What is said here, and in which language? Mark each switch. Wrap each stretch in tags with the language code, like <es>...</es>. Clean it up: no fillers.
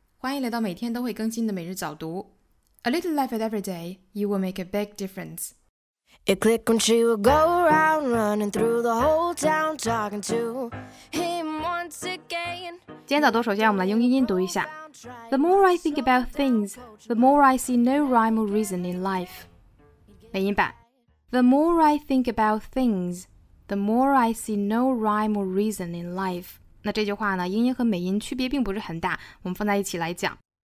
<zh>欢迎来到每天都会更新的每日早读。</zh> <en>A little life at every day, you will make a big difference. It clicked when she would go around running through the whole town talking to him once again.</en> <zh>今天早读首先我们来用英音读一下。</zh> <en>The more I think about things, the more I see no rhyme or reason in life.</en> <zh>美音版。</zh> <en>The more I think about things, the more I see no rhyme or reason in life.</en> <zh>那这句话呢，英音和美音区别并不是很大，我们放在一起来讲。</zh>